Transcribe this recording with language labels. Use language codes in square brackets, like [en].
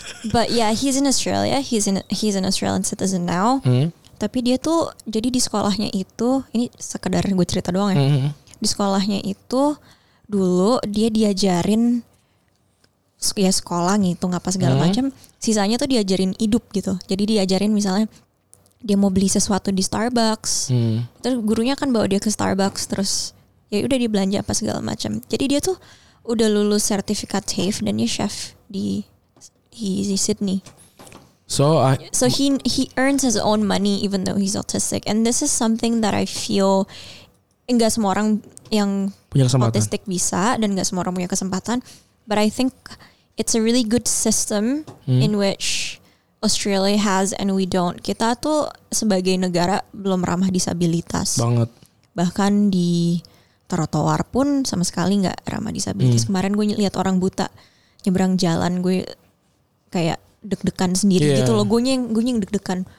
[en] But yeah, he's in Australia. He's an Australian citizen now. [id] Tapi dia tuh, jadi di sekolahnya itu, ini sekedar gue cerita doang ya. Di sekolahnya itu, dulu dia diajarin, ya sekolah ngitung apa segala macam. Sisanya tuh diajarin hidup gitu. Jadi diajarin misalnya, dia mau beli sesuatu di Starbucks. Terus gurunya kan bawa dia ke Starbucks. Terus ya udah dia belanja apa segala macam. Jadi dia tuh udah lulus sertifikat TAFE dan dia chef di Sydney. [en] So he earns his own money even though he's autistic. And this is something that I feel [id] enggak semua orang yang punya kesempatan autistic bisa dan enggak semua orang punya kesempatan. [en] But I think it's a really good system in which Australia has and we don't. [id] Kita tuh sebagai negara belum ramah disabilitas. Banget. Bahkan di trotoar pun sama sekali gak ramah disabilitas. Kemarin gue lihat orang buta nyebrang jalan, gue kayak deg-degan sendiri gitu loh. Gue yang deg-degan.